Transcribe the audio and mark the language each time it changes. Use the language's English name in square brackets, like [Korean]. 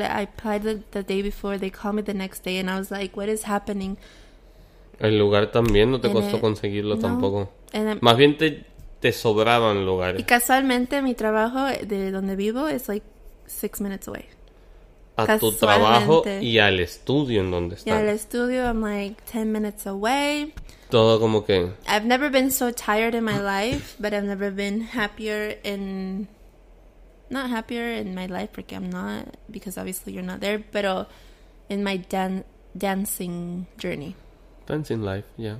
[English] I applied the day before, they called me the next day, and I was like, what is happening? [Spanish] El lugar también no te costó conseguirlo tampoco. Más bien te sobraban lugares. Y casualmente mi trabajo de donde vivo es [English] like 6 minutes away. [Spanish] A tu trabajo y al estudio en donde estás. Y al estudio [English] I'm like 10 minutes away. [Spanish] Todo como que... [English] I've never been so tired in my life, but I've never been happier in... Not happier in my life [Spanish] porque [English] I'm not, because obviously you're not there, [Spanish] pero [English] in my dancing journey. Dancing life, yeah.